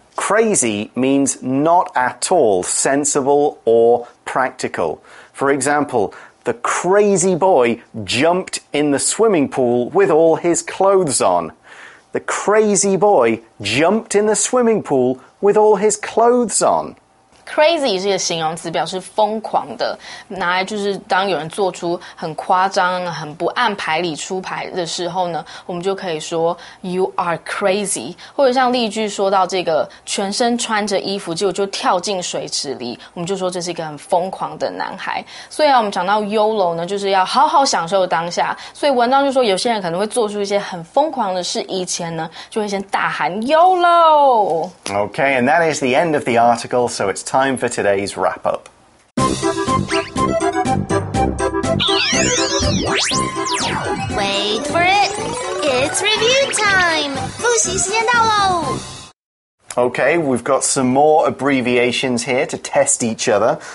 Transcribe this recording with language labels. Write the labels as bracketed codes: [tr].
[en] Crazy means not at all sensible or practical. For example, the crazy boy jumped in the swimming pool with all his clothes on. The crazy boy jumped in the swimming pool with all his clothes on. [zh] Crazy 这个形容词表示疯狂的，拿来就是当有人做出很夸张、很不按牌理出牌的时候呢，我们就可以说 [en] You are crazy， [zh] 或者像例句说到这个全身穿着衣服，结果就跳进水池里，我们就说这是一个很疯狂的男孩。所以啊，我们讲到 YOLO 呢，就是要好好享受当下。所以文章就说，有些人可能会做出一些很疯狂的事，以前呢就会先大喊 YOLO。 [en] Okay, and that is the end of the article. So it's time for today's wrap-up. Wait for it! It's review time! [zh] 复习时间到喽！ [en] Okay, we've got some more abbreviations here to test each other.